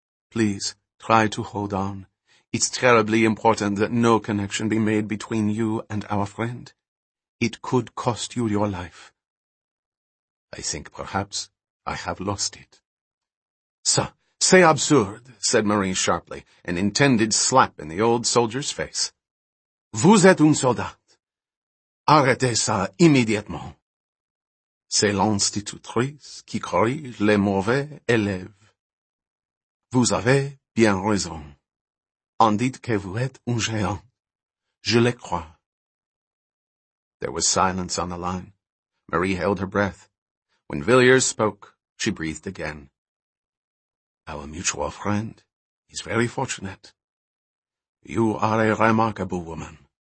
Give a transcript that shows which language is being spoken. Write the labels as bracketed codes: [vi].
[en] Please, try to hold on. It's terribly important that no connection be made between you and our friend. It could cost you your life." "I think perhaps I have lost it." [fr] "Ça, c'est absurde," [en] said Marie sharply, an intended slap in the old soldier's face. [fr] "Vous êtes un soldat. Arrêtez ça immédiatement. C'est l'institutrice qui corrige les mauvais élèves. Vous avez bien raison. On dit que vous êtes un géant. Je le crois." [en] There was silence on the line. Marie held her breath. When Villiers spoke, she breathed again. "Our mutual friend is very fortunate. You are a remarkable woman."